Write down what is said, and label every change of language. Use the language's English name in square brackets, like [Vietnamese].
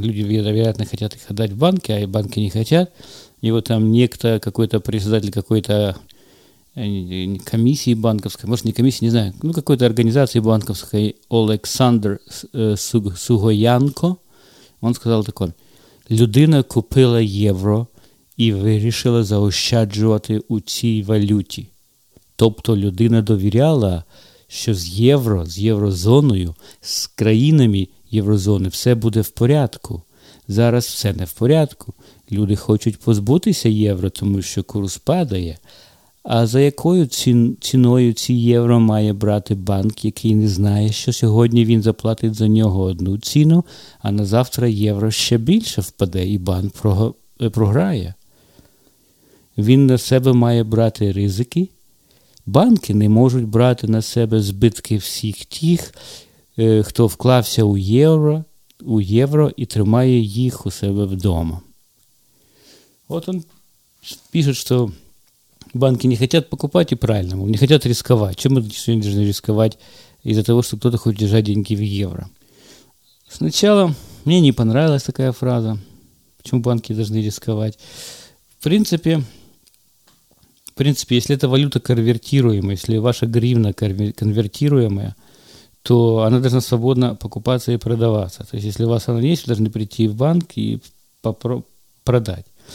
[Russian] Люди, вероятно, хотят их отдать в банки, а банки не хотят. И вот там некто, какой-то председатель какой-то комиссии банковской, может, не комиссии, не знаю, ну, какой-то организации банковской, Олександр Сугоянко, он сказал такое: [Ukrainian] людина купила евро и вирішила заощаджувати у цій валюті. Тобто людина довіряла, що з євро, з єврозоною, з країнами єврозони все буде в порядку. Зараз все не в порядку. Люди хочуть позбутися євро, тому що курс падає. А за якою ціною ці євро має брати банк, який не знає, що сьогодні він заплатить за нього одну ціну, а на завтра євро ще більше впаде і банк програє? Він на себе має брати ризики? Банки не можуть брати на себе збитки всіх тих, хто вклався у євро і тримає їх у себе вдома. От він пише, що банки не хочуть покупати, і правильно, не хочуть ризикувати. Чому вони повинні ризикувати із-за того, що хтось хоче держати деньги в євро? Спочатку мені не понравилась така фраза. Чому банки повинні ризикувати? В принципі, [Russian] В принципе, если эта валюта конвертируемая, если ваша гривна конвертируемая, то она должна свободно покупаться и продаваться. То есть, если у вас она есть, вы должны прийти в банк и продать.